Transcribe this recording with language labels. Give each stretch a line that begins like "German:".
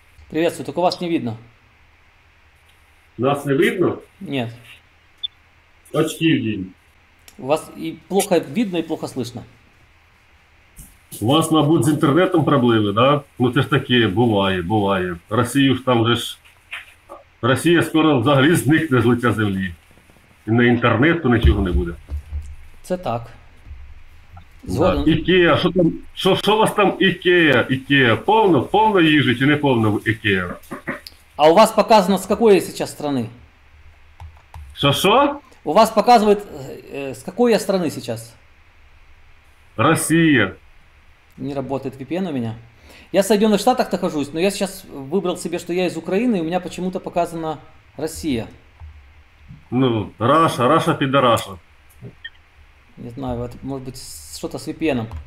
Russian: Приветствую, только вас не видно. Нас не видно? Нет. Очки в день. У вас и плохо видно, и плохо слышно. У вас, мабуть, с интернетом проблемы, да? Ну, это ж такие, бывает, бывает. Россию ж там же ж...
Ukrainian: Россия скоро взагалі зникне з лиця землі. І на інтернету нічого не буде. Це так. Ікея, що там, що у вас там Ікея? Ікея, повно, повно їжі чи не повно в Ікея? А у вас показано, з якої зараз країни? Що? У вас показують, з якої я країни зараз? Росія.
Russian: Не работает VPN у меня. Я в Соединенных Штатах нахожусь, но я сейчас выбрал себе, что я из Украины, и у меня почему-то показана Россия. Ну, Раша, Раша, пидораша. Не знаю, это может быть что-то с VPN.